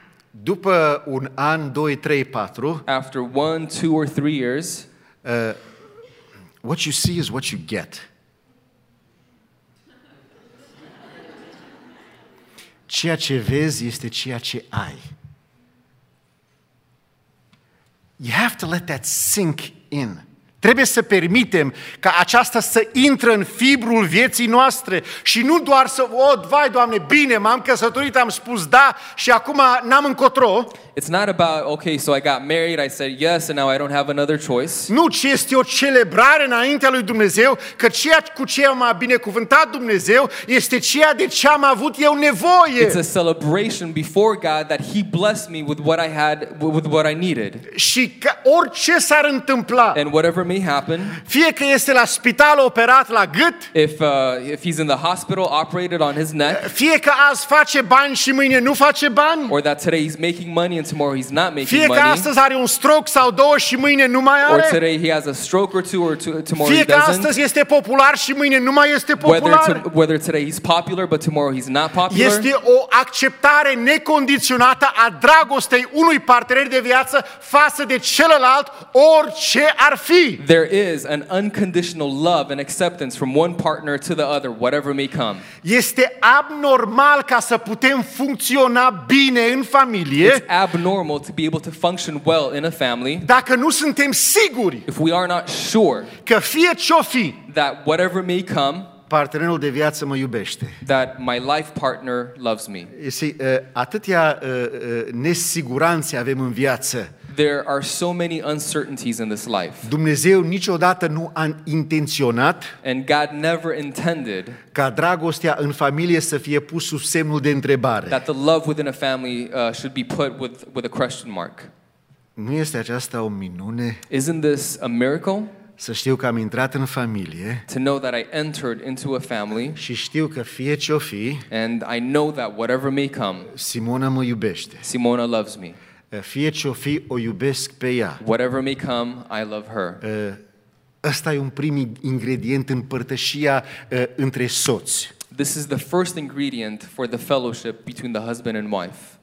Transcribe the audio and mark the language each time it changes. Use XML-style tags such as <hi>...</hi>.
<ro>După un an, doi, trei, patru.</ro> <en>After one, two or three years. What you see is what you get.</en> <ro>Ceea ce vezi este ceea ce ai.</ro> <en>You have to let that sink in.</en> <ro>Trebuie să permitem ca aceasta să intre în fibrul vieții noastre și nu doar să, oh, vai, Doamne, bine, m-am căsătorit, am spus da și acum n-am încotro.</ro> <en>It's not about, okay, so I got married, I said yes, and now I don't have another choice.</en> <ro>Nu, ci este o celebrare înaintea lui Dumnezeu că ceea cu ce m-a binecuvântat Dumnezeu este ceea de ce am avut eu nevoie.</ro> <en>It's a celebration before God that He blessed me with what I had, with what I needed.</en> <ro>Și că orice s-ar întâmpla.</ro> <en>And whatever may happen.</en> <ro>Fie că este la spital operat la gât.</ro> <en>If he's in the hospital, operated on his neck.</en> <ro>Fie că azi face bani și mâine nu face bani.</ro> <en>Or that today he's making money and tomorrow he's not making</en> <ro>fie</ro> <en>money.</en> <ro>Fie că astăzi are un stroke sau două și mâine nu mai are.</ro> <en>Or today he has a stroke or two or tomorrow</en> <ro>fie</ro> <en>he doesn't.</en> <ro>Fie că astăzi este popular și mâine nu mai este popular.</ro> <en>Whether today he's popular but tomorrow he's not popular.</en> <ro>Este o acceptare necondiționată a dragostei unui partener de viață față de celălalt orice ar fi.</ro> <en>There is an unconditional love and acceptance from one partner to the other, whatever may come.</en> <ro>Este abnormal ca să putem funcționa bine în familie.</ro> <en>It's abnormal to be able to function well in a family.</en> <ro>Dacă nu suntem siguri.</ro> <en>If we are not sure.</en> <ro>Că fie ce-o fi.</ro> <en>That whatever may come.</en> <ro>partenerul de viață mă iubește.</ro> <en>That my life partner loves me.</en> <ro>Atâtea nesiguranțe avem în viață.</ro> <en>There are so many uncertainties in this life.</en> <ro>Dumnezeu niciodată nu a intenționat</ro> <en>and God never intended</en> <ro>ca dragostea în familie să fie pus sub semnul de întrebare.</ro> <en>That the love within a family should be put with a question mark.</en> <ro>Nu este aceasta o minune?</ro> <en>Isn't this a miracle?</en> <ro>Să știu că am intrat în familie.</ro> <en>To know that I entered into a family.</en> <ro>Și știu că fie ce o fi,</ro> <en>and I know that whatever may come,</en> <ro>Simona mă iubește.</ro> <en>Simona loves me.</en> <ro>Fie ce o fi, o iubesc pe ea.</ro> <en>Whatever may come, I love her.</en> <ro>Ăsta e un prim ingredient în părtășia între soți.</ro> <en>This is the first ingredient for the fellowship between the husband and wife.</en>